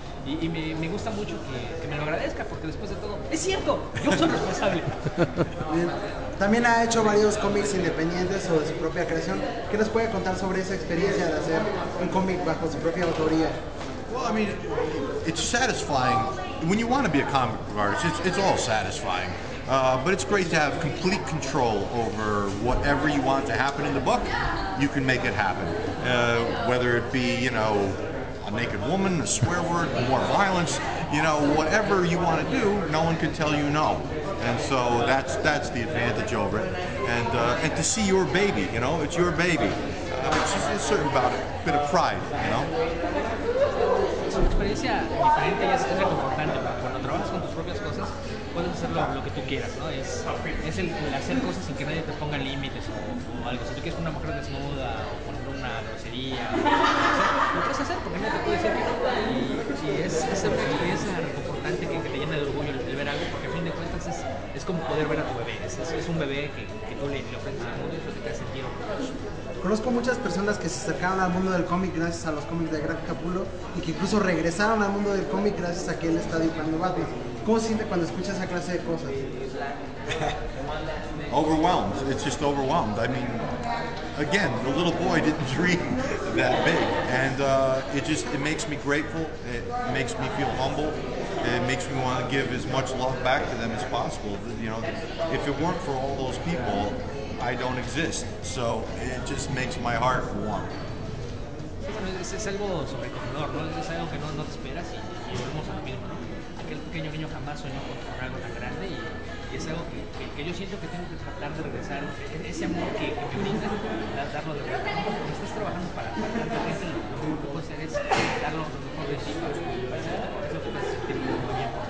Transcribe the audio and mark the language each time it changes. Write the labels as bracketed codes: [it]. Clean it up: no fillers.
[es] Y me gusta mucho que me lo agradezca, porque después de todo, ¡es cierto! ¡Yo soy responsable! También ha hecho varios cómics independientes o de su propia creación. ¿Qué nos puede contar sobre esa experiencia de hacer un cómic bajo su propia autoría? [en] Well, I mean, it's satisfying. When you want to be a comic book artist, it's all satisfying. But it's great to have complete control over whatever you want to happen in the book. You can make it happen. Whether it be, you know, a naked woman, a swear word, more violence, you know, whatever you want to do, no one can tell you no. And so that's the advantage over it. And to see your baby, you know, it's your baby. It's a certain about a bit of pride, you know. [es] Su experiencia diferente es reconfortante, porque cuando trabajas con tus propias cosas, puedes hacer lo que tú quieras, ¿no? Es el hacer cosas sin que nadie te ponga límites o algo. Si tú quieres una mujer desnuda o poner una grosería, lo puedes hacer porque nadie te puede decir que no. Y es una experiencia reconfortante que te llena de orgullo el ver algo, porque a fin de cuentas es como poder ver a tu bebé. Es un bebé que tú le ofreces al mundo y eso te hace sentir orgulloso. Conozco muchas personas que se acercaron al mundo del cómic gracias a los cómics de Greg Capullo y que incluso regresaron al mundo del cómic gracias a que él está dibujando Batman. ¿Cómo siente cuando escucha esa clase de cosas? [en] Overwhelmed. It's just overwhelmed. I mean, again, the little boy didn't dream that big. And it makes me grateful. It makes me feel humble. It makes me want to give as much love back to them as possible. You know, if it weren't for all those people, I don't exist, so it just makes my heart warm. [es] Es algo sobrecogedor, ¿no? Es algo que no te esperas y volvemos a lo mismo, ¿no? Aquel pequeño niño jamás soñó con algo tan grande y es algo que yo siento que tengo que tratar de regresar. Ese amor que me brinda, darlo de vuelta. Cuando estás trabajando para tanta gente, lo único que puedes hacer es darlo con los hijos y pasar, eso te pasa sentir muy bien.